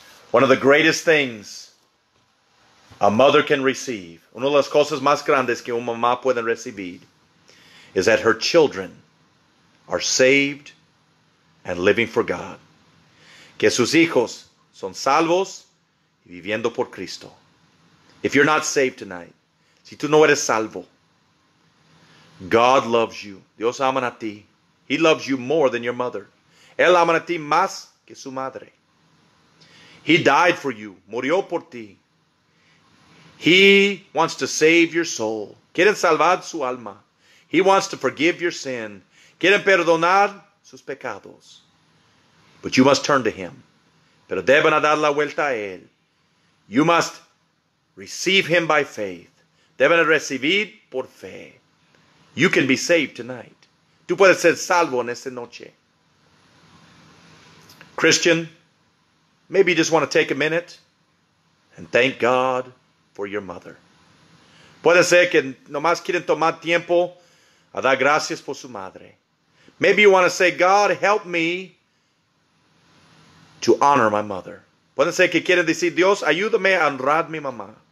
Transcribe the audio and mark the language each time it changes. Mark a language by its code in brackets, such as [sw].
[en] One of the greatest things a mother can receive, [es] una de las cosas más grandes que una mamá puede recibir, [en] is that her children are saved and living for God. [es] Que sus hijos son salvos y viviendo por Cristo. [en] If you're not saved tonight, [es] si tú no eres salvo, [en] God loves you. [es] Dios ama a ti. [en] He loves you more than your mother. [es] Él ama a ti más que su madre. [en] He died for you. [es] Murió por ti. [en] He wants to save your soul. [es] Quieren salvar su alma. [en] He wants to forgive your sin. [es] Quieren perdonar sus pecados. [en] But you must turn to him. [es] Pero deben dar la vuelta a él. [en] You must receive him by faith. [es] Deben recibir por fe. [en] You can be saved tonight. [es] Tú puedes ser salvo en esta noche. [en] Christian, maybe you just want to take a minute and thank God for your mother. [es] Puede ser que nomás quieren tomar tiempo a dar gracias por su madre. [en] Maybe you want to say, God, help me to honor my mother. [es] Puede ser que quieren decir, Dios, ayúdame a honrar mi mamá.